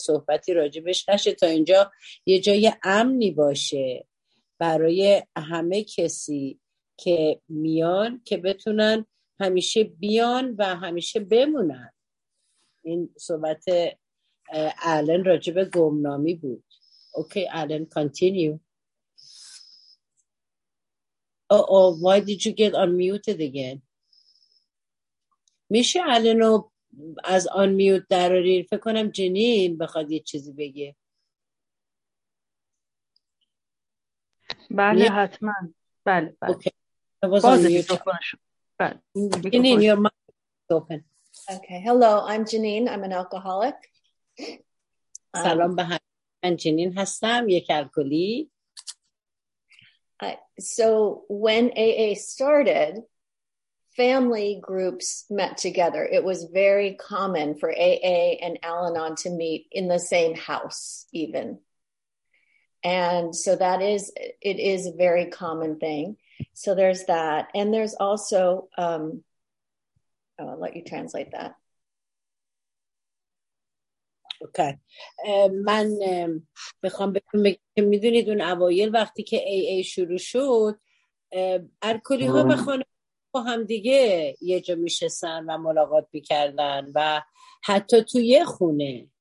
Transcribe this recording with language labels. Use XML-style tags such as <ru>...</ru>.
<fa>صحبتی راجبش نشه تا اینجا یه جای امنی باشه برای همه کسی که میان که بتونن همیشه بیان و همیشه بمونن. این صحبت آلن راجب گمنامی بود.</fa> <en>Okay, Alan, continue. Uh-oh, why did you get unmuted again?</en> <fa>میشه Alan رو از unmute دراری؟ فکر کنم جنین بخواد یه چیزی بگه. بله حتما. بله.</fa> <en>Okay. Was unmuted. Jeanine, your mic is open. Okay, hello, I'm Jeanine. I'm an alcoholic.</en> <fa>سلام به همه. من جنین هستم، یک الکلی.</fa> <en>So when AA started, family groups met together. It was very common for AA and Al-Anon to meet in the same house even. And so that is, it is a very common thing. So there's that. And there's also, I'll let you translate that. Okay.</en> <fa>من بخوام بگم که میدونید اون اوایل وقتی که AA شروع شد الکلی ها به خانه با هم دیگه یه جا میشستن و ملاقات میکردن و حتی تو یه خونه.</fa>